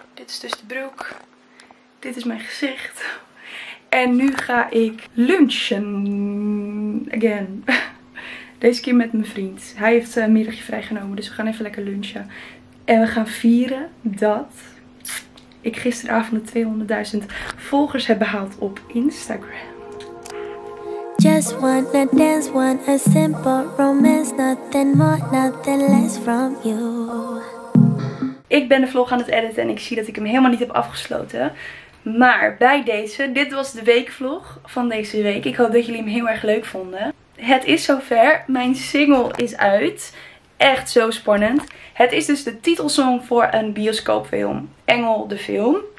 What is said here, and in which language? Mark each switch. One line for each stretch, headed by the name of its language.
Dutch: Dit is dus de broek. Dit is mijn gezicht. En nu ga ik lunchen. Again. Deze keer met mijn vriend. Hij heeft een middagje vrijgenomen, dus we gaan even lekker lunchen. En we gaan vieren dat ik gisteravond de 200.000 volgers heb behaald op Instagram.
English: Just wanna dance, want a simple romance, nothing more, nothing less from you.
Dutch: Ik ben de vlog aan het editen en ik zie dat ik hem helemaal niet heb afgesloten. Maar bij deze, dit was de weekvlog van deze week. Ik hoop dat jullie hem heel erg leuk vonden. Het is zover. Mijn single is uit. Echt zo spannend. Het is dus de titelsong voor een bioscoopfilm. Engel de film.